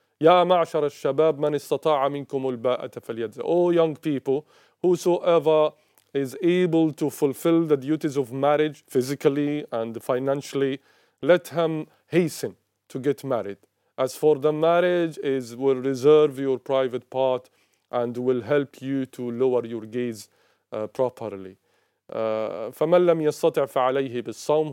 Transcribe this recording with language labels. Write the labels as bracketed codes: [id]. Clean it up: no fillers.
[ar] يا معشر الشباب من استطاع منكم الباءة فليتزوج. [en] Oh young people, whosoever is able to fulfill the duties of marriage physically and financially, let him hasten to get married. As for the marriage, is will reserve your private part and will help you to lower your gaze properly. [ar] فمن لم يستطع فعليه بالصوم.